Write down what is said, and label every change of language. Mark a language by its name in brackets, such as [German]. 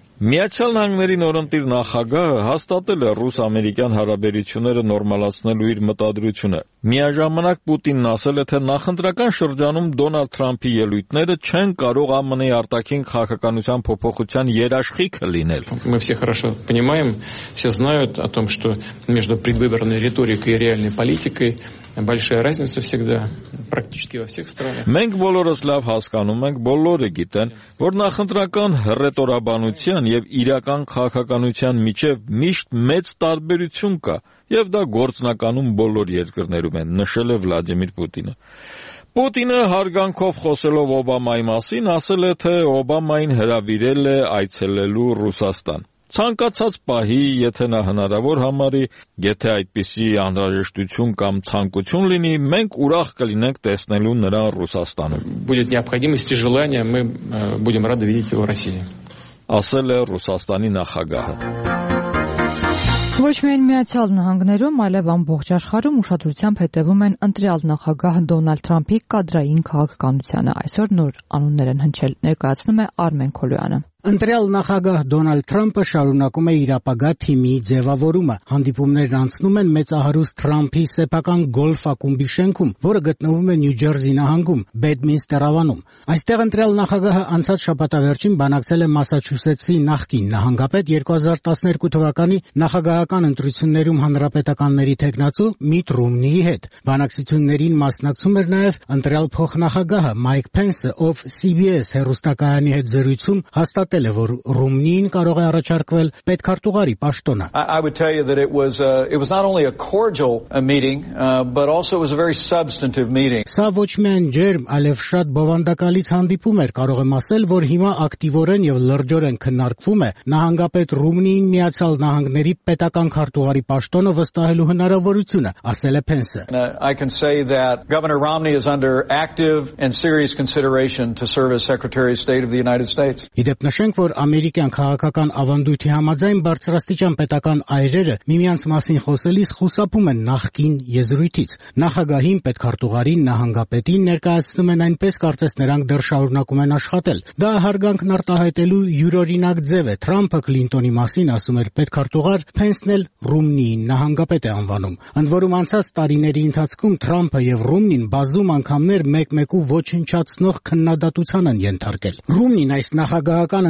[Armenian] Միացյալ Նահանգների նորընտիր նախագահը հաստատել է ռուս-ամերիկյան հարաբերությունները նորմալացնելու իր մտադրությունը։ Միաժամանակ Պուտինն ասել է, թե նախընտրական շրջանում Դոնալդ Թրամփի ելույթները չեն կարող ԱՄՆ-ի արտաքին քաղաքականության փոփոխության երաշխիքը լինել։ [Russian] Мы все хорошо понимаем, все знают о том, что между предвыборной риторикой и реальной политикой большая разница всегда практически во всех странах. [Armenian] Մենք բոլորս լավ հասկանում ենք, բոլորը գիտեն, որ նախընտրական ռետորաբանության եւ իրական քաղաքականության միջև միշտ մեծ տարբերություն կա, եւ դա գործնականում բոլոր երկրներում է, նշել է Վլադիմիր Պուտինը։ Պուտինը հարգանքով խոսելով Օբամայի մասին ասել է, թե Օբամային հրավիրել է այցելելու Ռուսաստան։ Ցանկացած պահի, եթե նա հնարավոր համարի, եթե այդպիսի անհրաժեշտություն կամ ցանկություն լինի, մենք ուրախ կլինենք տեսնելու նրան Ռուսաստանում։ [Russian] Будет необходимость и желание, мы будем рады видеть его в России. [Armenian] Ասել է Ռուսաստանի նախագահը։ Ոչ միայն Միացյալ Նահանգներում, այլև ամբողջ աշխարհում ուշադրությամբ հետևում են ընտրյալ նախագահ Դոնալդ Թրամփի կադրային քաղաքականությանը։ Այսօր նոր անուններ են հնչել, ներկայացնում է Արմեն Քոլյանը։ Ընտրյալ նախագահ Դոնալդ Թրամփը շարունակում է իր ապագա թիմի ձևավորումը։ Հանդիպումներն անցնում են մեծահարուստ Թրամփի սեփական գոլֆ ակումբի շենքում, որը գտնվում է Նյու Ջերսի նահանգում, Բեդմինստեր ավանում։ Այստեղ ընտրյալ նախագահը անցած շաբաթվերջին բանակցել է Մասաչուսեթսի նախկին նահանգապետ 2012 թվականի նախագահական ընտրություններում հանրապետականների թեկնածու Միտ Ռումնիի հետ։ Բանակցություններին մասնակցում էր նաև ընտրյալ փոխնախագահը Մայք Փենսը, ով CBS հեռուստակայանի հետ զրույցում հաստատել է, որ Ռումնին կարող է առաջարկվել պետքարտուղարի պաշտոնը։ [English] I would tell you that it was not only a cordial meeting, but also it was a very substantive meeting. [Armenian] Սա ոչ միայն ջերմ, այլև շատ բովանդակալից հանդիպում էր, կարող եմ ասել, որ հիմա ակտիվորեն եւ լրջորեն քննարկվում է նահանգապետ Ռումնին Միացյալ Նահանգների պետական քարտուղարի պաշտոնը վստահելու հնարավորությունը, ասել է Փենսը։ [English] I can say that Governor Romney is under active and serious consideration to serve as Secretary of State of the United States. [Armenian] Իդեպ նշենք, որ ամերիկյան քաղաքական ավանդույթի համաձայն բարձրաստիճան պետական այրերը միմյանց մասին խոսելիս խուսափում են նախկին եզրույթից։ Նախագահին, պետքարտուղարին, նահանգապետին ներկայացնում են այնպես, կարծես նրանք դեռ շարունակում են աշխատել։ Դա հարգանքն արտահայտելու յուրօրինակ ձև է։ Թրամփը Քլինտոնի մասին ասում էր պետքարտուղար, Փենսն էլ Ռումնիին նահանգապետ է անվանում։ Ընդ որում, անցած տարիների ընթացքում Թրամփը եւ Ռումնին բազում անգամներ մեկ-մեկու ոչնչացնող քննադատության են ենթարկել։ Ռումնին այս նախագահական